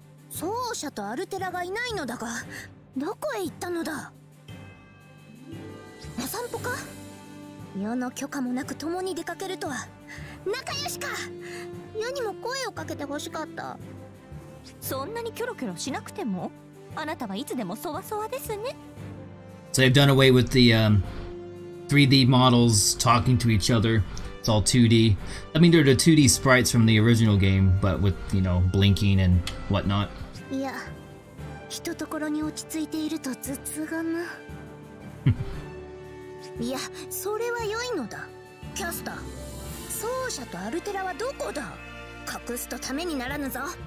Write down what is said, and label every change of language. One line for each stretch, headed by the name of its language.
Japanese: 奏者とアルテラがいないのだが、どこへ行ったのだ。お散歩か。世の許可もなく共に出かけるとは仲良しか。世にも声をかけてほしかった。そんなにキョロキョロしなくても、あなたはいつでもそわそわですね。
English: So they've done away with the 3D models talking to each other. It's all 2D. I mean, they're the 2D sprites from the original game, but with, you know, blinking and whatnot.
Japanese: いや、ひとところに落ち着いていると頭痛がな。いや、それは良いのだ。キャスター、奏者とアルテラはどこだ。隠すとためにならぬぞ。